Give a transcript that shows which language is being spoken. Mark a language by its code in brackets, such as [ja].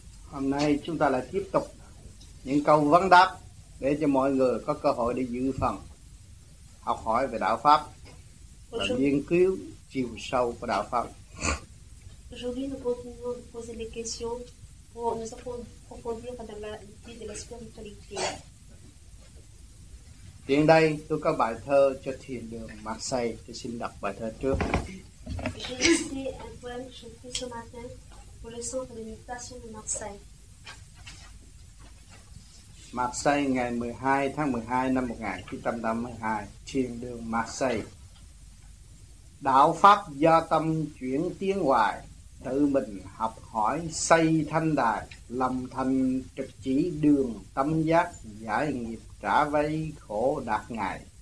[vi] Hôm nay chúng ta lại tiếp tục những câu vấn đáp để cho mọi người có cơ hội để dự phần học hỏi về đạo pháp và nghiên cứu chiều sâu của đạo pháp. [fr] Aujourd'hui nous pouvons poser des questions pour nous approfondir dans la vie de la spiritualité. [vi] Tiếng đây tôi có bài thơ cho thiền đường Mạc Xây, tôi xin đọc bài thơ trước. [fr] J'ai laissé un poème que j'ai écrit ce matin pour le centre de méditation de Marseille. [vi] Marseille, ngày 12 tháng 12 năm 1982, thiền đường Marseille. Đạo pháp do tâm chuyển tiến hoài, tự mình học hỏi xây thanh đài, lòng thành trực chỉ đường tâm giác, giải nghiệp trả vây khổ đạt ngày.